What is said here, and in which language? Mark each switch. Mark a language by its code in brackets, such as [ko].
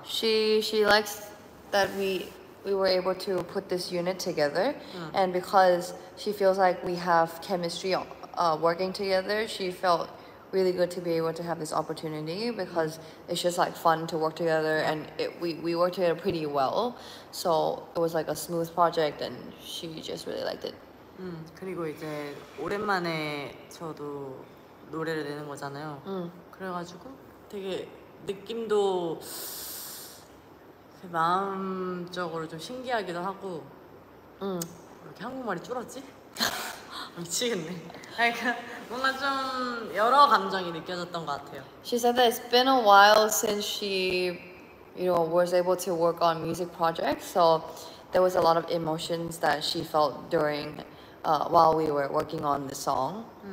[en] She likes that we were able to put this unit together, and because she feels like we have chemistry working together, she felt really good to be able to have this opportunity because it's just like fun to work together, and we worked together pretty well. So it was like a smooth project and she just really liked it. [ko] 그리고 이제 오랜만에 저도 노래를 내는 거잖아요. 그래가지고 되게 느낌도 마음적으로 좀 신기하기도 하고 왜 이렇게 한국말이 줄었지? 미치겠네. 뭔가 좀 여러 감정이 느껴졌던 것 같아요. [en] She said that it's been a while since she, you know, was able to work on music projects, so there was a lot of emotions that she felt during while we were working on the song.